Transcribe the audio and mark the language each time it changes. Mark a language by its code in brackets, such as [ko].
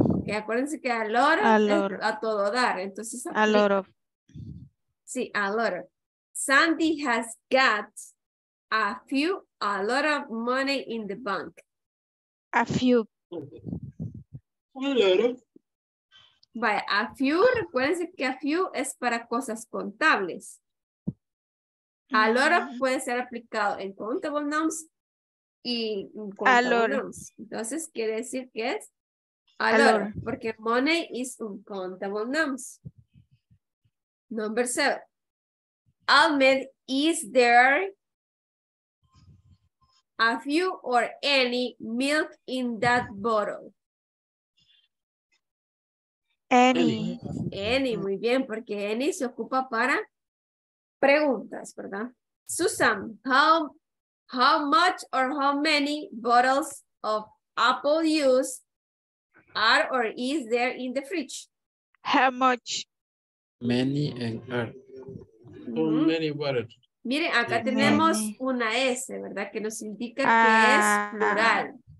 [es] Okay, acuérdense que a lot es a todo dar. Entonces, [en] a lot of. Sí, a lot. Sandy has got a lot of money in the bank. A few. [es] Vaya, a few, recuérdense que a few es para cosas contables. A lot of puede ser aplicado en countable nouns y en countable nouns. Entonces quiere decir que es a lot, porque [en] money is [es] un countable nouns. [en] Number seven. Ahmed, is there a few or any milk in that bottle? Any, [es] muy bien, porque any se ocupa para preguntas, ¿verdad? [en] Susan, how much or how many bottles of apple juice are or is there in the fridge? How much? Many and are. or many water. [es] Miren, acá tenemos una S, ¿verdad? Que nos indica que es plural.